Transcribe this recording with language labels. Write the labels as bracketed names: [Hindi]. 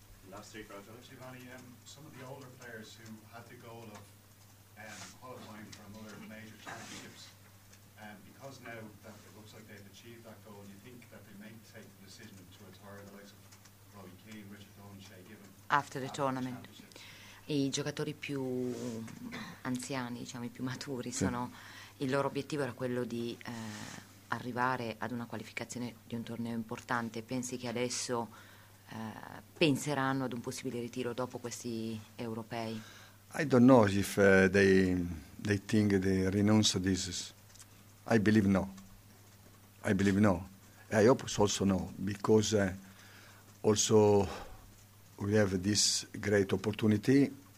[English] Last week, Giovanni, some of the older players who had the goal of qualifying for another major championships, because now that it looks like they've achieved that goal, do you think that they may take the decision to retire the likes of Robbie Keane, Richard Owen, Shea Given? After the tournament. [Italian] I giocatori più anziani, diciamo, i più maturi, sono il loro obiettivo era quello di arrivare ad una qualificazione di un torneo importante. Pensi che adesso penseranno ad un possibile ritiro dopo questi europei? [English] I don't know if they think they renounce this. I believe no. I believe no. I hope also no, because also we have this great opportunity.